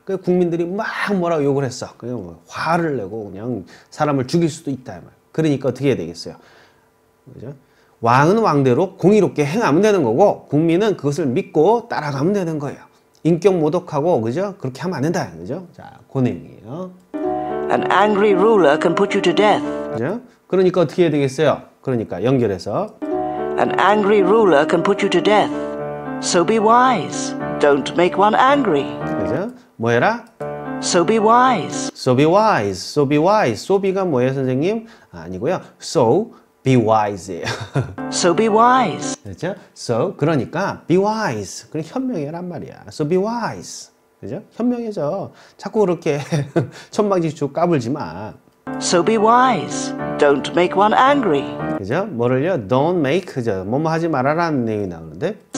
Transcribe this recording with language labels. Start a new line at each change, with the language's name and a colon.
Korean: 그 국민들이 막 뭐라고 욕을 했어. 그냥 뭐 화를 내고 그냥 사람을 죽일 수도 있다. 그러니까 어떻게 해야 되겠어요? 그죠? 왕은 왕대로 공의롭게 행하면 되는 거고 국민은 그것을 믿고 따라가면 되는 거예요. 인격 모독하고 그죠? 그렇게 하면 안 된다. 그죠? 자, 그 내용이에요.
English: An angry ruler can put you to death.
Korean: 그죠? 그러니까 어떻게 해야 되겠어요? 그러니까 연결해서
English: An angry ruler can put you to death. So be wise. Don't make one angry.
Korean: 그죠? 뭐 해라?
English: So be wise. So be wise. So be wise.
Korean: So be가 뭐예요, 선생님?
English: 아니고요. So be wise. So be wise.
Korean: 그렇죠?
English: So 그러니까 be wise.
Korean: 그래 현명해란 말이야. So be wise. 그죠? 현명해져. 자꾸 그렇게 천방지축 까불지 마.
English: So be wise. Don't make one angry.
Korean: 그죠? 뭐를요? Don't make. 그죠? 뭐뭐 하지 말아라는 내용이 나오는데.